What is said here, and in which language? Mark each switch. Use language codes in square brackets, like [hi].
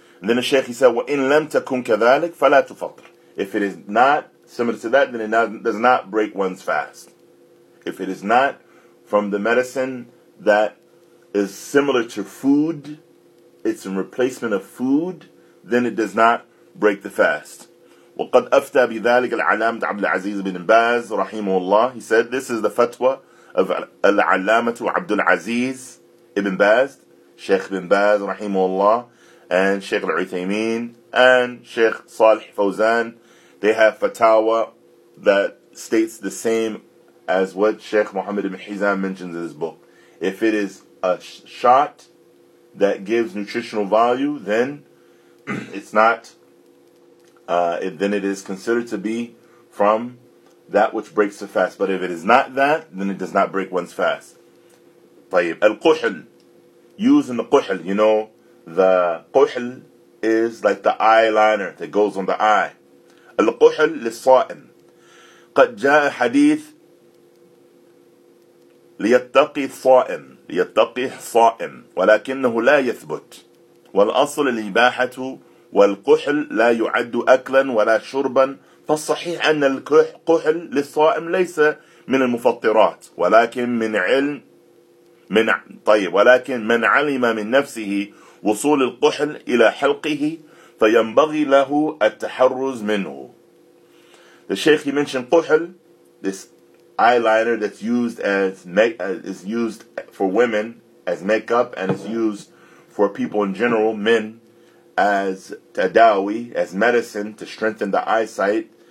[en] And then the Shaykh, he said, [ar] وَإِن لَمْ تَكُنْ كَذَلِكْ فَلَا تُفَطْرْ. [en] If it is not similar to that, then it does not break one's fast. If it is not from the medicine that is similar to food, it's a replacement of food, then it does not break the fast. [ar] وقد أفتى بذلك العلامة عبد العزيز بن باز رحمه الله. [en] He said, this is the fatwa of العلامة عبد العزيز بن باز, Sheikh بن باز رحمه الله, and Sheikh العثيمين, and Sheikh صالح فوزان. They have fatwa that states the same as what Sheikh Muhammad ibn Hizam mentions in his book. If it is a shot that gives nutritional value, then it's not... then it is considered to be from that which breaks the fast. But if it is not that, then it does not break one's fast. [ar] طيب, القحل. [en] Using the قحل, the قحل is like the eyeliner that goes on the eye. [ar] القحل للصائم. قد جاء حديث ليتقي الصائم. ليتقي الصائم. ولكنه لا يثبت. والأصل الإباحة والقحل لا يعد أكلا ولا شربا فالصحيح أن القحل للصائم ليس من المفطرات ولكن من علم من طيب ولكن من علم من نفسه وصول القحل إلى حلقه فينبغي له التحرز منه. [en] The Sheikh, he mentioned قحل, this eyeliner that's used as is used for women as makeup and is used for people in general, men, as tadawi, as medicine to strengthen the eyesight.